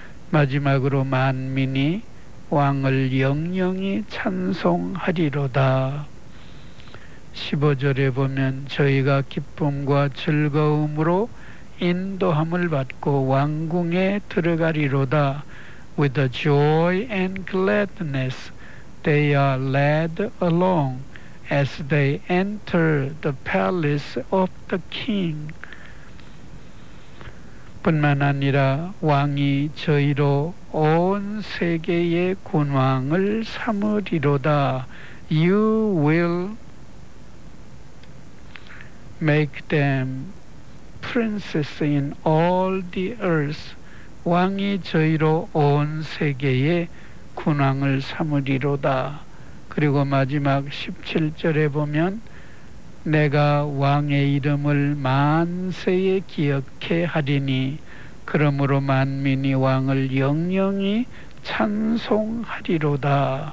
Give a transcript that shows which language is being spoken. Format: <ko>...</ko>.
<ko>마지막으로 만민이 왕을 영영히 찬송하리로다. 15절에 보면 저희가 기쁨과 즐거움으로 인도함을 받고 왕궁에 들어가리로다.</ko> <en>With the joy and gladness they are led along as they enter the palace of the king.</en> <ko>뿐만 아니라 왕이 저희로 온 세계의 군왕을 삼으리로다.</ko> <en>You will make them princes in all the earth.</en> <ko>왕이 저희로 온 세계의 군왕을 삼으리로다. 그리고 마지막 17절에 보면 내가 왕의 이름을 만세에 기억해 하리니 그러므로 만민이 왕을 영영히 찬송하리로다.</ko>